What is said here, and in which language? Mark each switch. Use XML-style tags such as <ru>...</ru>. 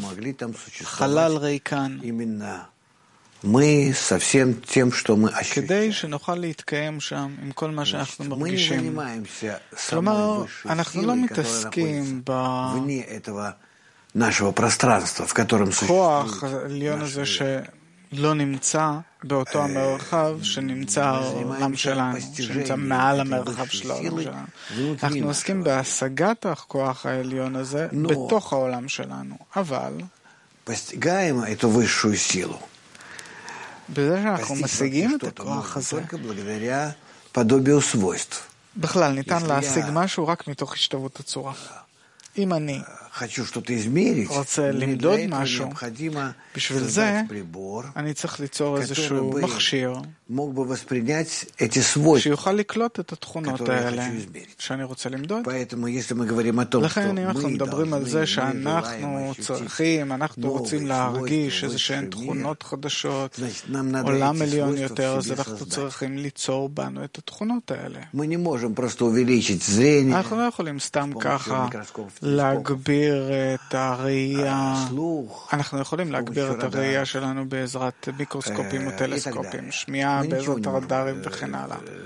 <ru>могли там существовать именно мы со всем тем, что мы ощущаем. Значит, мы не занимаемся самой высшей силой, которая вне этого нашего пространства, в котором существует</ru> <he>באותו המרחב שנמצא העולם שלנו, שנמצא מעל המרחב שלנו. אנחנו עוסקים בהשגת הכוח העליון הזה בתוך העולם שלנו, אבל</he> <ru>постигаем эту высшую силу.</ru> <he>בזה שאנחנו משיגים את הכוח הזה</he> <ru>только благодаря подобию свойств.</ru> <he>בכלל, ניתן להשיג משהו רק מתוך השתוות הצורה. אם אני</he> <ru>хочу что-то измерить,</ru> <he>רוצה למדוד משהו,</he> <ru>необходимо</ru> <he>בשביל זה, прибор, אני צריך ליצור איזשהו מכשיר,</he> <ru>мог бы воспринять эти свойства,</ru> <he>שיוכל לקלוט את התכונות האלה, שאני רוצה למדוד.</he> <ru>Поэтому, если мы говорим о том,</ru> <he>לכן,</he> <ru>что</ru> <he>אם אנחנו מדברים על זה שאנחנו צריכים, אנחנו רוצים להרגיש איזשהן תכונות חדשות, עולם עליון יותר, אז אנחנו צריכים ליצור בנו את התכונות האלה.</he> <ru>Мы не можем просто увеличить зрение.</ru> <he>אנחנו לא יכולים סתם ככה להגביר את הראייה. אנחנו יכולים להגביר את הראייה שלנו בעזרת מיקרוסקופים או טלסקופים, שמיעה בעזרת הרדארים וכן הלאה.</he>